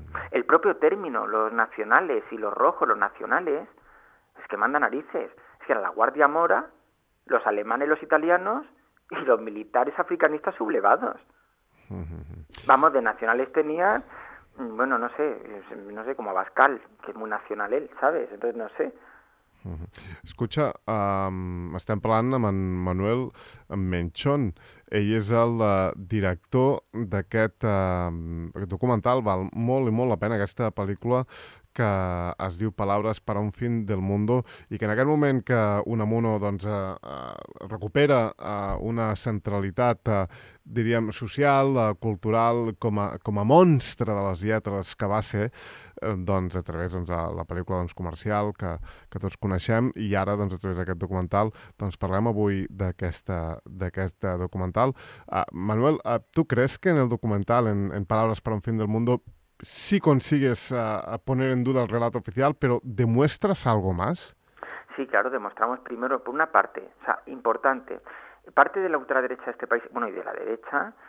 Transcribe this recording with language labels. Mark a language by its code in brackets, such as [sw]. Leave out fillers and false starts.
[es] El propio término, los nacionales y los rojos, los nacionales, es que manda narices. Es que era la Guardia Mora, los alemanes, los italianos y los militares africanistas sublevados. Vamos, de nacionales tenían, bueno, no sé, como Abascal, que es muy nacional él, ¿sabes? Entonces no sé. Escucha, [ca] estem parlant amb en Manuel Menchón. Ell és el director d'aquest documental. Val molt i molt la pena aquesta pel·lícula que es diu Palabras para un fin del mundo, i que en aquest moment que Unamuno doncs, recupera una centralitat, diríem, social, cultural, com a monstre de les lletres que va ser, doncs, a través doncs, de la pel·lícula doncs, comercial que tots coneixem, i ara doncs, a través d'aquest documental doncs, parlem avui d'aquest documental. [es] Manuel, tu creus que en el documental, en Palabras para un fin del mundo, si consigues poner en duda el relato oficial, pero demuestras algo más? Sí, claro, demostramos primero, por una parte, o sea, importante, parte de la ultraderecha de este país, bueno, y de la derecha,